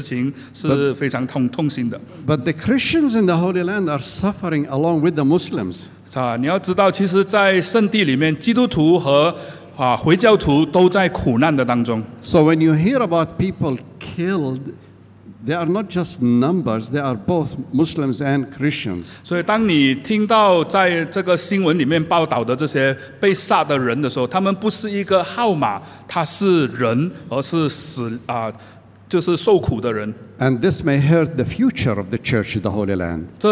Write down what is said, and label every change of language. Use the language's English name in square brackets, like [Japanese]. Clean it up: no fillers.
[Chinese] 你看到现在在这个圣地里面发生的种族灭绝的事情是非常痛心的。 [English] But the Christians in the Holy Land are suffering along with the Muslims. [Chinese] 你要知道其实在圣地里面基督徒和回教徒都在苦难的当中。 [English] So when you hear about people killed, they are not just numbers, they are both Muslims and Christians. [Chinese] 所以当你听到在这个新闻里面报道的这些被杀的人的时候，他们不是一个号码，他是人，而是死，就是受苦的人。 [English] And this may hurt the future of the Church of the Holy Land.